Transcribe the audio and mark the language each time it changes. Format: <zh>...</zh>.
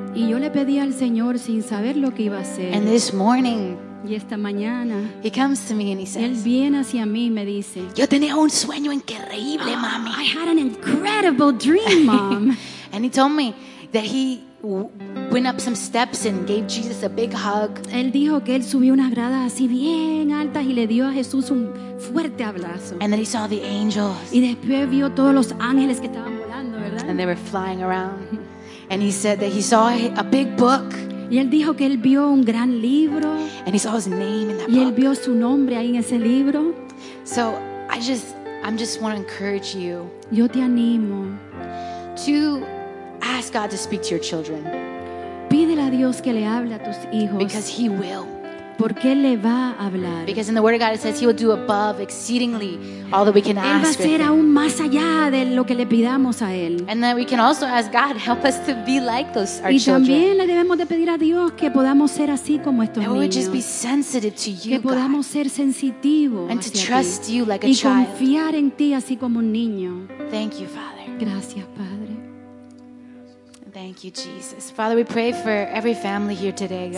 <es>Y yo le pedí al Señor sin saber lo que iba a hacer.</es> <en>And this morning,</en> <es>y esta mañana,</es> <en>he comes to me and he says,</en> <es>él viene hacia mí y me dice, yo tenía un sueño increíble, mami.</es> <en>I had an incredible dream, mom. And he told me that he went up some steps and gave Jesus a big hug.</en> <es>Él dijo que él subió unas gradas así bien altas y le dio a Jesús un fuerte abrazo.</es> <en>And then he saw the angels.</en> <es>Y después vio todos los ángeles que estaban volando, ¿verdad?</es> <en>And they were flying around. And he said that he saw a big book.</en> <es>Y él dijo que él vio un gran libro.</es> <en>And he saw his name in that</en> <es>y</es> <en>book.</en> <es>Y él vio su nombre ahí en ese libro.</es> <en>So I just want to encourage you.</en> <es>Yo te animo.</es> <en>To ask God to speak to your children.</en> <es>Pídele a Dios que le hable a tus hijos.</es> <en>Because he will.</en> <es>Porque él le va a hablar.</es> <en>Because in the word of God it says he will do above exceedingly all that we can ask.</en> <es>Él va a hacer aún más allá de lo que le pidamos a él.</es> <en>And then we can also ask God help us to be like those our children.</en> <es>Y también le debemos de pedir a Dios que podamos ser así como estos niños.</es> <en>And just be sensitive to you,</en> <es>que podamos ser sensitivos</es> <en>and to trust you like a child.</en> <es>Y confiar en ti así como un niño.</es> <en>Thank you, Father.</en> <es>Gracias, Padre.</es> <en>Thank you, Jesus. Father, we pray for every family here today, God.</en>